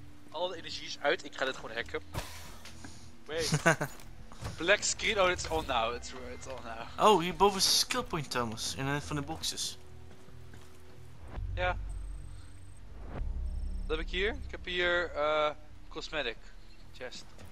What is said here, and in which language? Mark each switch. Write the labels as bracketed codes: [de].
[nl] Al de energie is uit, ik ga dit gewoon hacken. [en] Wait. Black screen, oh, it's on now, it's on now. [nl] Oh, hierboven is een skill point, Thomas, in een van de boxes. Ja. Wat heb ik hier? Ik heb hier, cosmetic chest.